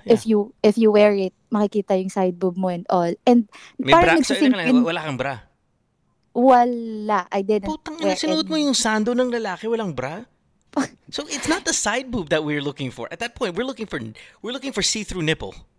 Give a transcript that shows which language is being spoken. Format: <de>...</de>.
<en>If you wear it,</en> <tl>makikita yung side boob mo</tl> <en>and all. And</en> <tl>may bra? Wala kang bra? Wala.</tl> <en>I didn't.</en> <tl>Putang ina, sinuot mo yung sando ng lalaki, walang bra?</tl> <en>So it's not the side boob that we're looking for. At that point, we're looking for see-through nipple.</en>